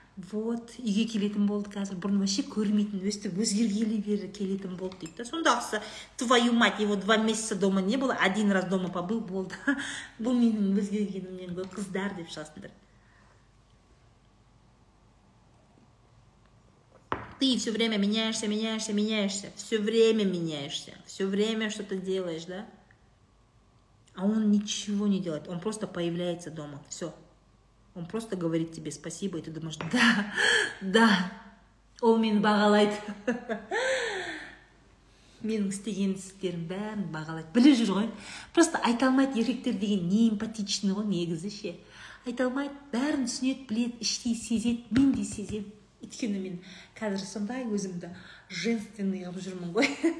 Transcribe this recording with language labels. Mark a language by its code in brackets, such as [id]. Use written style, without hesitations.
[kk] Вот үйге келетін болды қазір, бұрын вообще көрмейтін, өстіп өзгергелі бері келетін болды дейді да. Сонда ақысы, [ru] твою мать, его два месяца дома не было, один раз дома побыл, болды, [kk] бұл менің өзгергенімнен ғой қыздар деп шығасыңдар. [ru] Ты все время меняешься, все время что-то делаешь, да? А он ничего не делает, он просто появляется дома, все. Он просто говорит тебе спасибо, и ты думаешь, да, да, [kk] ол мен бағалайды. Мен істеген істерім бәрін бағалайды, біле жүр ғой. Просто айта алмайды, еркектер деген не эмпатичный ғой негізі ше. айта алмайды, бәрін түсінеді, білет, іштей сезеді, мен де сезем. Өйткені мен қазір сондай өзімді женственный қылып жүрмін ғой.